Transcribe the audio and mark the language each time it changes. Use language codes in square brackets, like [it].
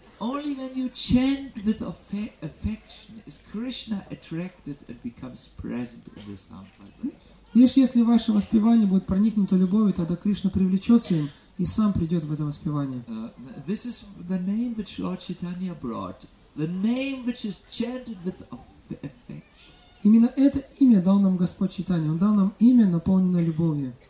[en] Only when you chant with affection is Krishna attracted and becomes present in the sampradaya. [ru] Лишь если ваше воспевание будет проникнуто любовью, тогда Кришна привлечется им и сам придет в это воспевание. [en] This is the name which Lord Chaitanya brought. The name which is chanted with affection. [ru] Именно это имя дал нам Господь Чайтанья. Он дал нам имя, наполненное любовью.